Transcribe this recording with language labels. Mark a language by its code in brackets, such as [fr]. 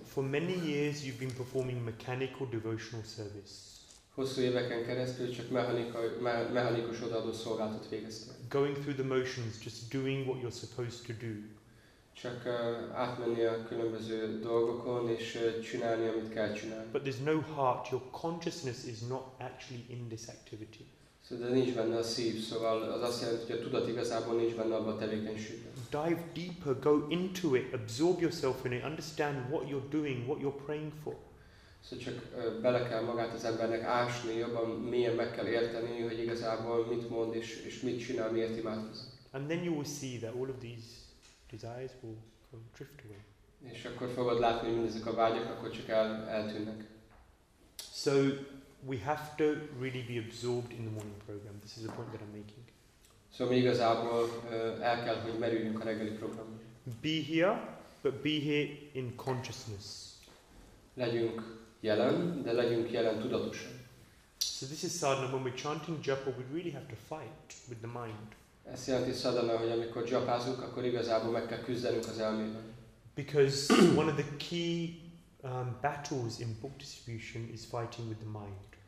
[en] For many years you've been performing mechanical devotional service. [hu] Hosszú éveken keresztül csak mechanikus odaadó szolgálatot végeztél. [en] Going through the motions, just doing what you're supposed to do. [hu] Csak átmenni a különböző dolgokon és csinálni, amit kell csinálni. [en] But there's no heart, your consciousness is not actually in this activity. [hu] De nincs benne a szív, szóval az azt jelenti, hogy a tudat igazából nincs benne abban a tevékenységben. [en] Dive deeper, go into it, absorb yourself in it, understand what you're doing, what you're praying for. [hu] Szóval csak bele kell magát az embernek ásni, jobban mélyen meg kell érteni, hogy igazából mit mond és mit csinál, miért imádkozik. [en] And then you will see that all of these desires will drift away. [hu] És akkor fogod látni, hogy mindezek a vágyak akkor csak eltűnnek. [en] So we have to really be absorbed in the morning program. This is a point that I'm making. [hu] So mi igazából el kell, hogy merüljünk a reggeli program. [en] Be here, but be here in consciousness. [hu] Legyünk jelen, de legyünk jelen tudatosan. [en] So this is sadhana. When we're chanting japa, we really have to fight with the mind. [hu] Ez jelenti sadhana, hogy amikor japázunk, akkor igazából meg kell küzdenünk az elmével. [en] Because one of the key battles in book distribution is fighting with the mind.